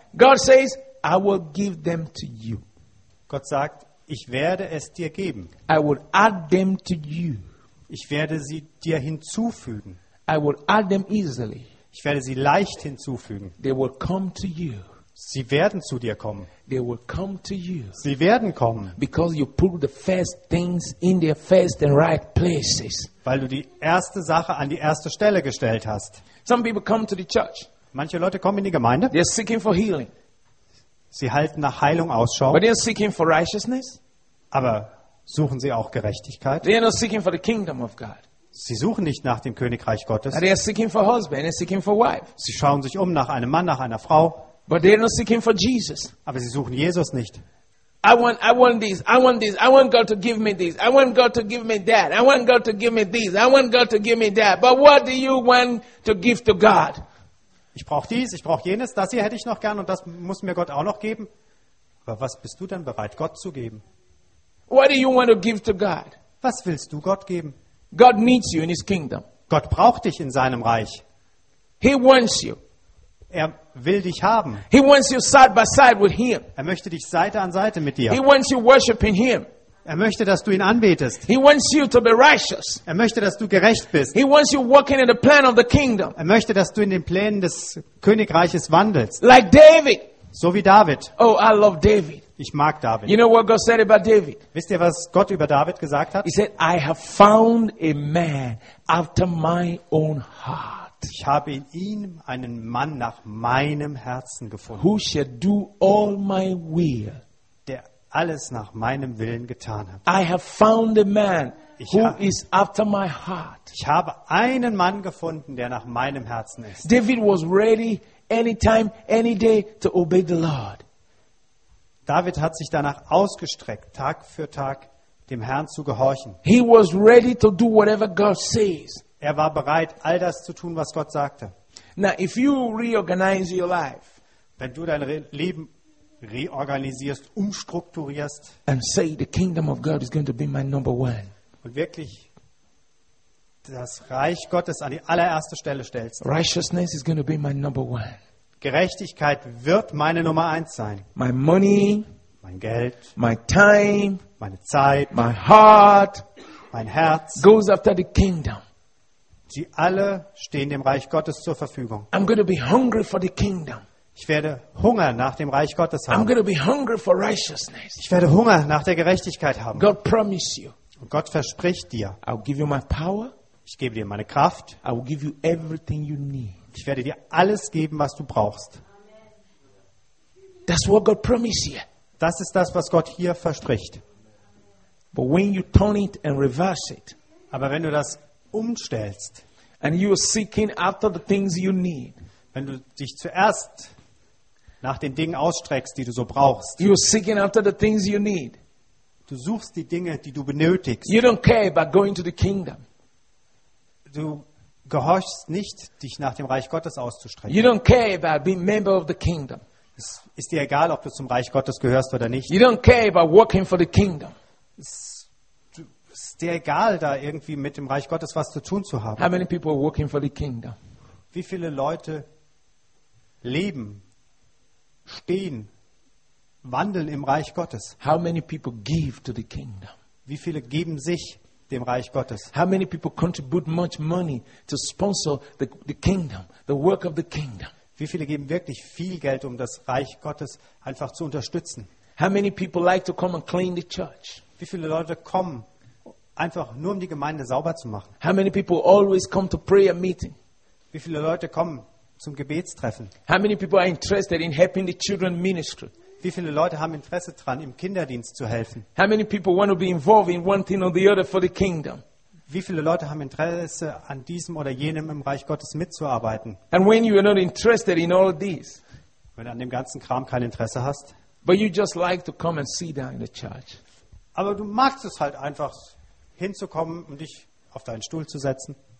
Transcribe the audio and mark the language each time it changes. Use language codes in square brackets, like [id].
[en] God says, I will give them to you. [de] Gott sagt, ich werde es dir geben. [en] I will add them to you. [de] Ich werde sie dir hinzufügen. [en] I will add them easily. [de] Ich werde sie leicht hinzufügen. [en] They will come to you. [de] Sie werden zu dir kommen. [en] They will come to you. [de] Sie werden kommen. [en] Because you put the first things in their first and right places. [de] Weil du die erste Sache an die erste Stelle gestellt hast. [en] Some people come to the church. [de] Manche Leute kommen in die Gemeinde. [en] They're seeking for healing. [de] Sie halten nach Heilung Ausschau. [en] But they're seeking for righteousness. [de] Aber suchen sie auch Gerechtigkeit? [en] They're not seeking for the kingdom of God. [de] Sie suchen nicht nach dem Königreich Gottes. [en] They're seeking for husband. They're seeking for wife. [de] Sie schauen sich um nach einem Mann, nach einer Frau. [en] But they're not seeking for Jesus. [de] Aber sie suchen Jesus nicht. [en] I want this. I want this. I want God to give me this. I want God to give me that. I want God to give me this. I want God to give me that. But what do you want to give to God? [de] Ich brauche dies, ich brauche jenes, das hier hätte ich noch gern und das muss mir Gott auch noch geben. Aber was bist du denn bereit, Gott zu geben? [en] What do you want to give to God? [de] Was willst du Gott geben? [en] God needs you in his kingdom. [de] Gott braucht dich in seinem Reich. [en] He wants you. [de] Er will dich haben. [en] He wants you side by side with him. [de] Er möchte dich Seite an Seite mit dir. [en] He wants you worshiping him. [de] Er möchte, dass du ihn anbetest. [en] He wants you to be righteous. [de] Er möchte, dass du gerecht bist. [en] He wants you walking in the plan of the kingdom. [de] Er möchte, dass du in den Plänen des Königreiches wandelst. [en] Like David. [de] So wie David. [en] Oh, I love David. [de] Ich mag David. [en] You know what God said about David? [de] Wisst ihr, was Gott über David gesagt hat? [en] He said, I have found a man after my own heart. [de] Ich habe in ihm einen Mann nach meinem Herzen gefunden. [en] Who shall do all my will. [de] Alles nach meinem Willen getan hat. [en] I have found a man who is after my heart. [de] Ich habe einen Mann gefunden, der nach meinem Herzen ist. [en] David was ready anytime, any day to obey the Lord. [de] David hat sich danach ausgestreckt, Tag für Tag dem Herrn zu gehorchen. [en] He was ready to do whatever God says. [de] Er war bereit, all das zu tun, was Gott sagte. [en] Now, if you reorganize your life, [de] wenn du dein Leben reorganisierst, umstrukturierst [en] and say the kingdom of God is going to be my number one. [de] Und wirklich das Reich Gottes an die allererste Stelle stellst. [en] Righteousness is going to be my number one. [de] Gerechtigkeit wird meine Nummer eins sein. [en] My money, [de] mein Geld, [en] my time, [de] meine Zeit, [en] my heart, [de] mein Herz [en] goes after the kingdom. [de] Sie alle stehen dem Reich Gottes zur Verfügung. [en] I'm going to be hungry for the kingdom. [de] Ich werde Hunger nach dem Reich Gottes haben. [en] I'm going to be hungry for righteousness. [de] Ich werde Hunger nach der Gerechtigkeit haben. [en] God promise you. [de] Und Gott verspricht dir. [en] I'll give you my power. [de] Ich gebe dir meine Kraft. [en] I will give you everything you need. [de] Ich werde dir alles geben, was du brauchst. [en] That's what God promise you. [de] Das ist das, was Gott hier verspricht. [en] But when you turn it and reverse it, [de] aber wenn du das umstellst, [en] and you are seeking after the things you need, [de] wenn du dich zuerst nach den Dingen ausstreckst, die du so brauchst. [en] You're seeking after the things you need. [de] Du suchst die Dinge, die du benötigst. [en] You don't care about going to the kingdom. [de] Du gehorchst nicht, dich nach dem Reich Gottes auszustrecken. [en] You don't care about being a member of the kingdom. [de] Es ist dir egal, ob du zum Reich Gottes gehörst oder nicht. [en] You don't care about working for the kingdom. [de] Es ist dir egal, da irgendwie mit dem Reich Gottes was zu tun zu haben. [en] How many people are working for the kingdom? [de] Wie viele Leute leben, stehen, wandeln im Reich Gottes? [en] How many people give to the kingdom? [de] Wie viele geben sich dem Reich Gottes? [en] How many people contribute much money to sponsor the kingdom, the work of the kingdom? [de] Wie viele geben wirklich viel Geld, um das Reich Gottes einfach zu unterstützen? [en] How many people like to come and clean the church? [de] Wie viele Leute kommen einfach nur, um die Gemeinde sauber zu machen? [en] How many people always come to prayer meeting? [de] Wie viele Leute kommen zum Gebetstreffen? [en] How many people are interested in helping the children ministry? [de] Wie viele Leute haben Interesse dran, im Kinderdienst zu helfen? [en] How many people want to be involved in one thing or the other for the kingdom? [de] Wie viele Leute haben Interesse an diesem oder jenem im Reich Gottes mitzuarbeiten? [en] And when you are not interested in all these, [de] wenn du an dem ganzen Kram kein Interesse hast, [en] but you just like to come and see that in the church. [de] Aber du magst es halt einfach hinzukommen und dich auf deinen Stuhl zu setzen.